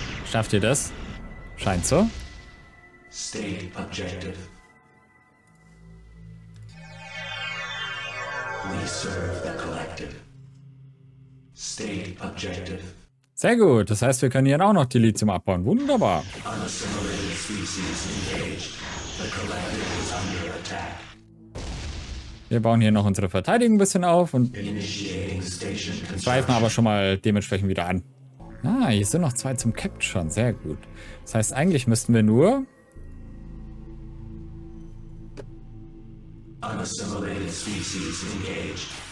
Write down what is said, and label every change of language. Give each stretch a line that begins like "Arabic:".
German: Schafft ihr das? Scheint so.
English: State objective. We serve the collective. State objective.
German: Sehr gut, das heißt, wir können hier auch noch die Lithium abbauen. Wunderbar.
English: Unassimilated species engaged. The collective is under attack.
German: Wir bauen hier noch unsere Verteidigung ein bisschen auf und
English: initiating station construction.
German: Greifen aber schon mal dementsprechend wieder an. Ah, hier sind noch zwei zum Capturen. Sehr gut. Das heißt, eigentlich müssten wir nur...
English: Unassimilated species engaged.